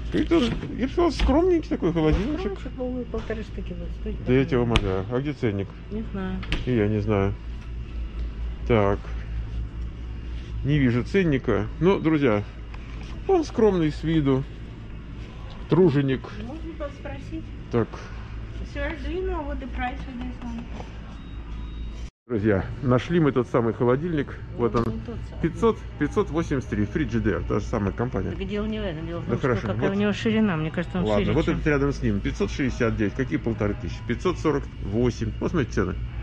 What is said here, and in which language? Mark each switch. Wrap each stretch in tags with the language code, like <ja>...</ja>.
<ru>Это, я сказал, скромненький такой холодильник. Скромчик, 1,5 штуки будет стоить. Да я тебе умоляю. А где ценник? Не знаю. И я не знаю. Так, не вижу ценника. Ну, друзья, он скромный с виду, труженик. Можно поспросить? Так.</ru> <en>Sir, do you know what the price of this one?</en> <ru>Друзья, нашли мы тот самый холодильник. Ну, вот он, 500, 583, Frigidaire, та же самая компания. Так дело не в этом, дело в том, ну, что хорошо, какая вот у него ширина, мне кажется, он ладно, шире. Ладно, вот чем... этот рядом с ним, 569, какие 1500, 548, посмотрите цены.</ru>